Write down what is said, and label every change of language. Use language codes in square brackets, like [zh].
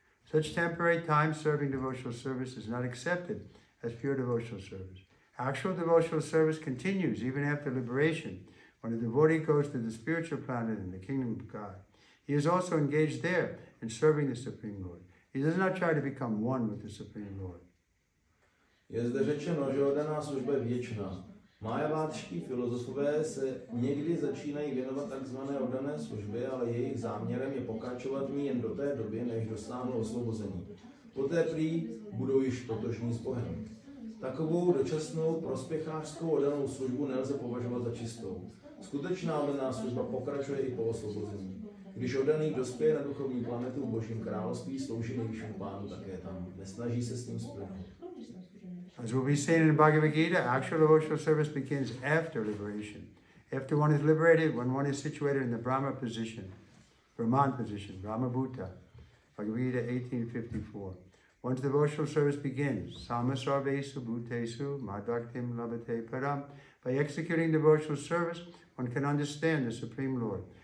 [en] Such temporary time serving devotional service is not accepted as pure devotional service. Actual devotional service continues even after liberation, when a devotee goes to the spiritual planet in the kingdom of God. He is also engaged there in serving the Supreme Lord. He does not try to become one with the Supreme Lord. [cs] Je zde řečeno, že oddaná služba je věčná. Mayavádští filozofové se někdy začínají věnovat takzvané oddané službě, ale jejich záměrem je pokračovat v ní jen do té doby, než dosáhnou osvobození. Poté prý budou již totožní s Bohem. Takovou dočasnou prospěchářskou oddanou službu nelze považovat za čistou. Skutečná oddaná služba pokračuje i po osvobození. Když oddaný dospěje na duchovní planetu v Božím království, slouží nejvyššímu pánu také tam, nesnaží se s ním splnout. [en] As will be seen in the Bhagavad Gita, actual devotional service begins after liberation. After one is liberated, when one is situated in the Brahma position, Brahman position, Brahma Bhuta, Bhagavad Gita 18:54. Once devotional service begins, [sa] sama sarvesu bhutesu madaktim labhate param, [en] by executing devotional service, one can understand the Supreme Lord.